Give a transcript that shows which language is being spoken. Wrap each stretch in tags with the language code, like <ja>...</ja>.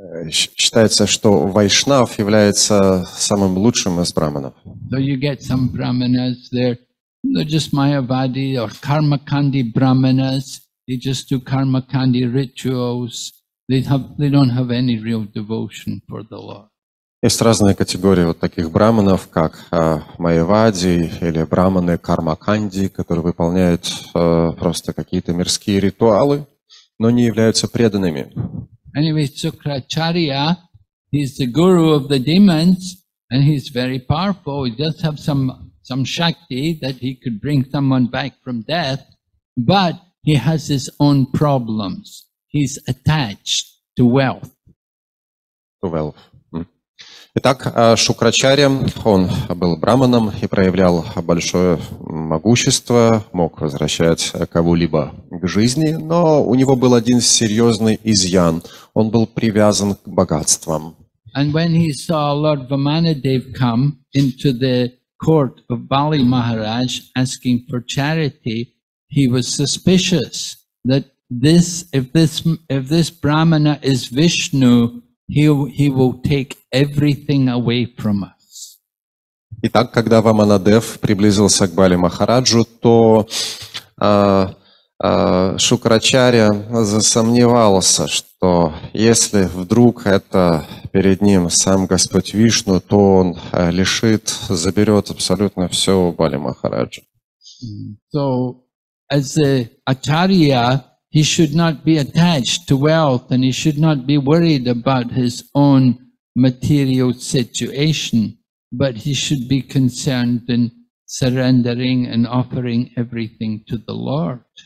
<ru>Считается, что вайшнав является самым лучшим из брахманов.</ru> <en>So you get some brahmanas there, they're just mayavadi or karmakandi brahmanas. They just do karmakandi rituals. They don't have any real devotion for the Lord.</en> <ru>Есть разные категории вот таких браманов, как майявади или браманы кармаканди, которые выполняют просто какие-то мирские ритуалы, но не являются преданными.</ru> <en>Anyway, Sukracharya, he's the guru of the demons, and he's very powerful. He does have some shakti that he could bring someone back from death, but he has his own problems. He's attached to wealth. To wealth.</en> <ru>Итак, Шукрачарья, он был браманом и проявлял большое могущество, мог возвращать кого-либо к жизни, но у него был один серьезный изъян. Он был привязан к богатствам.</ru> <en>And when he saw Lord Vamanadeva come into the court of Bali Maharaj asking for charity, he was suspicious that if this brahmana is Vishnu, He will take everything away from us.</en> <ru>Итак, когда Ваманадев приблизился к Бали Махараджу, то Шукрачарья засомневался, что если вдруг это перед ним сам Господь Вишну, то он заберет абсолютно все у Бали Махараджу.</ru> <en>So, as an acharya, he should not be attached to wealth, and he should not be worried about his own material situation, but he should be concerned in surrendering and offering everything to the Lord.</en>